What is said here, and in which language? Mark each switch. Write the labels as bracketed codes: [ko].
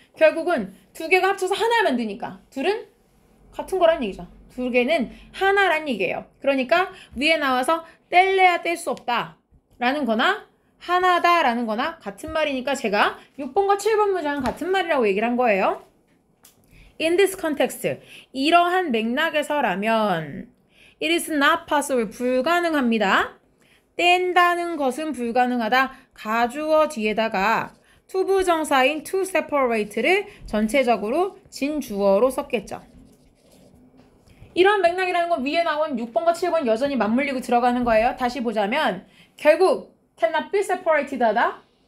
[ko] 결국은 두 개가 합쳐서 하나를 만드니까 둘은 같은 거란 얘기죠. 두 개는 하나란 얘기예요. 그러니까 위에 나와서 뗄래야 뗄 수 없다 라는 거나 하나다 라는 거나 같은 말이니까 제가 6번과 7번 문장은 같은 말이라고 얘기를 한 거예요. [en] In this context, [ko] 이러한 맥락에서라면 [en] It is not possible, [ko] 불가능합니다. 뗀다는 것은 불가능하다. 가주어 뒤에다가 투부정사인 [en] to separate [ko] 를 전체적으로 진주어로 썼겠죠. 이런 맥락이라는 건 위에 나온 6번과 7번 여전히 맞물리고 들어가는 거예요. 다시 보자면 결국 [en] cannot be separated [ko] 하다.